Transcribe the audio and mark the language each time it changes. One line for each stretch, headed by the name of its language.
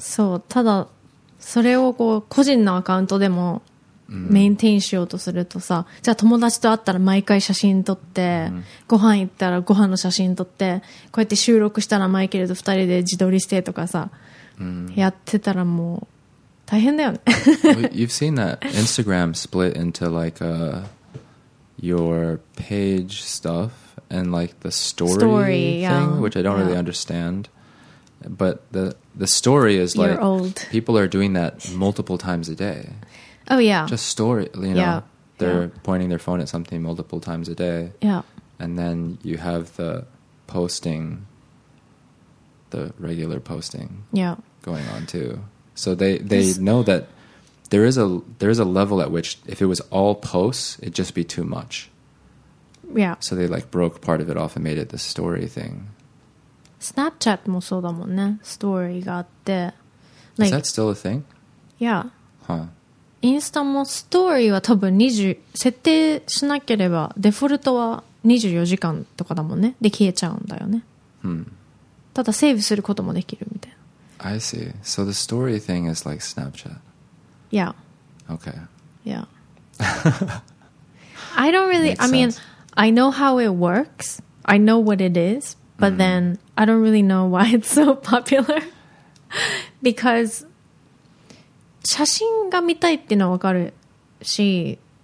Japanese: そうただそれをこう個人のアカウントでもメインテインしようとするとさ、mm-hmm. じゃあ友達と会ったら毎回写真撮って、mm-hmm. ご飯行ったらご飯の写真撮って、こうやって収録したらマイケルと二人で自撮りしてとかさ、 mm-hmm. やってたらもう大変だよね。
English: Well, you've seen that Instagram split into like a, your page stuff and like the story thing, yeah. which I don't really understand. But the story is You're like old. People are doing that multiple times a day. Oh yeah. Just story, you know. Yeah. They're pointing their phone at something multiple times a day. Yeah. And then you have the posting, the regular posting. Yeah. Going on too. So they know that there is a level at which if it was all posts, it'd just be too much. Yeah. So they like broke part of it off and made it the story thing.
Japanese: Snapchat もそうだもんね。Story があって。
English: Like, Is that still a thing? Yeah. Huh.
Japanese: インスタもストーリーは多分20設定しなければデフォルトは24時間とかだもんねで消えちゃうんだよね、 hmm. ただセーブすることもできるみたいな
English: I see So the story thing is like Snapchat Yeah Okay Yeah I don't really I mean I know how it works I know what it is But、mm. then I don't really know why it's so popular Because
Japanese: 写真が見たいっていうのは分かるし、